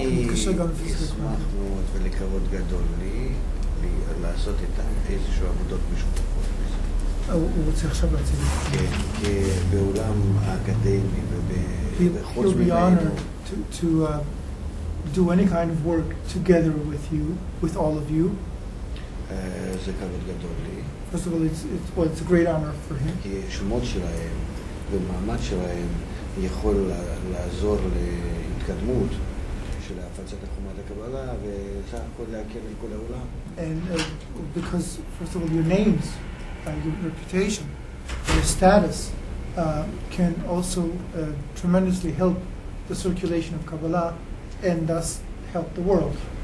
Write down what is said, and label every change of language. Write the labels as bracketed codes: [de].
[en] He'll be honored to do any kind of work together with you, with all of you. First of all, it's a great honor for him. [he] ומעמד שלהם יכול לעזור להתקדמות של הפצת חומת הקבלה וסך הכל להכיר את כל העולם. [en] And because, first of all, your names, your reputation, your status can also tremendously help the circulation of Kabbalah and thus help the world.